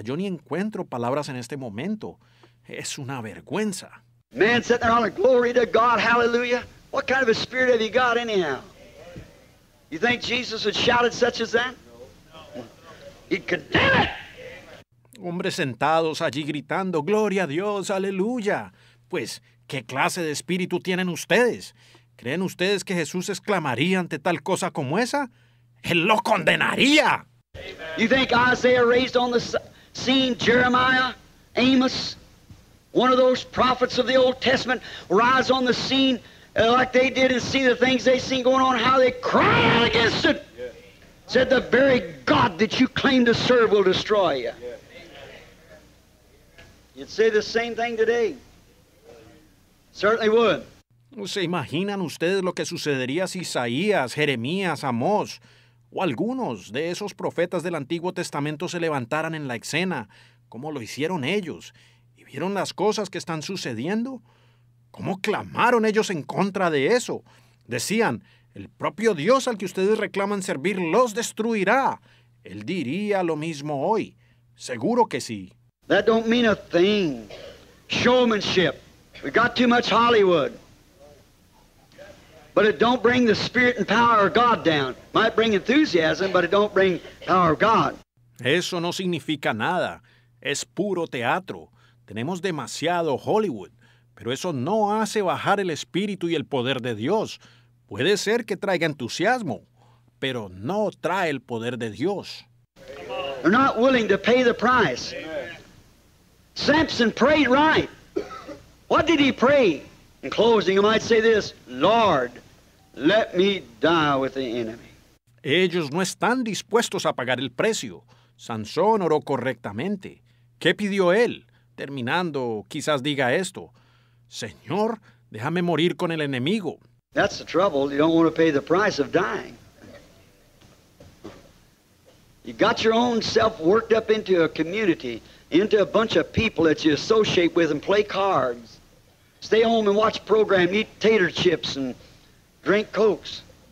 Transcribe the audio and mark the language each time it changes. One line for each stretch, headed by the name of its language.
Spanish: Yo ni encuentro palabras en este momento. Es una vergüenza.
English: Man sitting there on a glory to God, hallelujah. What kind of a spirit have you got anyhow? You think Jesus would shout it such as that? He'd condemn it.
Spanish: Hombres sentados allí gritando, gloria a Dios, aleluya. Pues, ¿qué clase de espíritu tienen ustedes? ¿Creen ustedes que Jesús exclamaría ante tal cosa como esa? ¡Él lo condenaría!
English: You think Isaiah raised on the scene Jeremiah, Amos, one of those prophets of the Old Testament, rise on the scene like they did and see the things they seen going on, how they cry out against it. Said the very God that you claim to serve will destroy you. You'd say the same thing today. Certainly would.
Spanish: ¿Se imaginan ustedes lo que sucedería si Isaías, Jeremías, Amós o algunos de esos profetas del Antiguo Testamento se levantaran en la escena, como lo hicieron ellos, y vieron las cosas que están sucediendo? ¿Cómo clamaron ellos en contra de eso? Decían, el propio Dios al que ustedes reclaman servir los destruirá. Él diría lo mismo hoy. Seguro que sí.
English: That don't mean a thing. Showmanship. We got too much Hollywood. But it don't bring the spirit and power of God down. Might bring enthusiasm, but it don't bring power of God.
Spanish: Eso no significa nada. Es puro teatro. Tenemos demasiado Hollywood. Pero eso no hace bajar el espíritu y el poder de Dios. Puede ser que traiga entusiasmo, pero no trae el poder de Dios.
English: They're not willing to pay the price. Samson prayed right. What did he pray? In closing, I might say this, Lord, let me die with the enemy.
Spanish: Ellos no están dispuestos a pagar el precio. Sansón oró correctamente. ¿Qué pidió él? Terminando, quizás diga esto, Señor, déjame morir con el enemigo.
English: That's the trouble. You don't want to pay the price of dying. You got your own self worked up into a community, into a bunch of people that you associate with and play cards. Stay home and watch program, eat tater chips and drink Cokes.